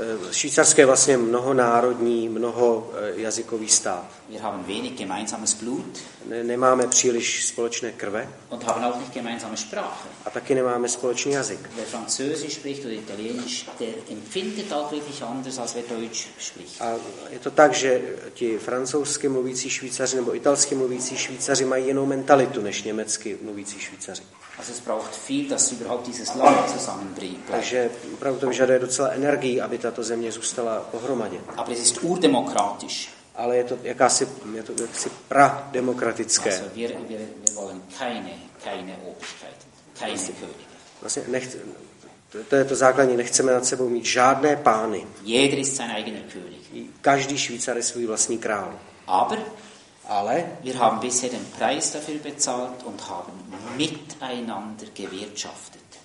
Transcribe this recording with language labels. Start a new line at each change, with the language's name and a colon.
Czech: Švýcarské je vlastně mnohonárodní, mnoho jazykový stát.
German: Wir haben wenig gemeinsames Blut.
Czech: Nemáme příliš společné krve.
German: Und haben auch nicht gemeinsame Sprache.
Czech: A taky nemáme společný jazyk.
German: Wer Französisch spricht oder Italienisch, der empfindet auch wirklich anders, als wer Deutsch spricht.
Czech: A je to tak, že ti francouzsky mluvící Švýcaři nebo italsky mluvící Švýcaři mají jinou mentalitu než německy mluvící Švýcaři.
German: Also es braucht viel, dass überhaupt dieses Land zusammenbringt.
Czech: Takže opravdu to vyžaduje docela energii, aby tato země zůstala pohromadě.
German: Aber es ist urdemokratisch.
Czech: Ale je to jakási prademokratické.
German: Also wir wollen keine Obrigkeit, keine Könige.
Czech: Vlastně to je to základní, nechceme nad sebou mít žádné pány.
German: Jeder ist sein eigener König.
Czech: Každý Švýcar je svůj vlastní král.
German: Ale wir haben bisher den Preis dafür bezahlt und haben miteinander gewirtschaftet.